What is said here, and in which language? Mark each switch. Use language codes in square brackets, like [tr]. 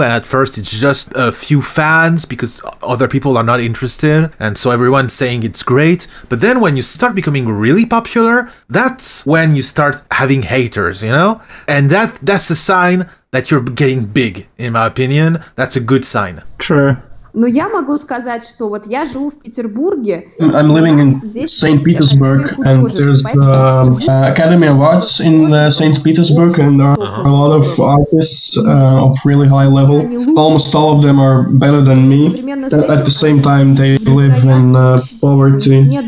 [en] And at first it's just a few fans because other people are not interested, and so everyone's saying it's great. But then when you start becoming really popular, that's when you start having haters, you know? And that's a sign that you're getting big, in my opinion. That's a good sign. True. [ru] Ну я могу сказать, что вот я живу в Петербурге. [en] I'm living in St. Petersburg, and there's the Academy of Arts in St. Petersburg, and there are a lot of artists of really high level. Almost all of them are better than me. At the same time, they live in poverty.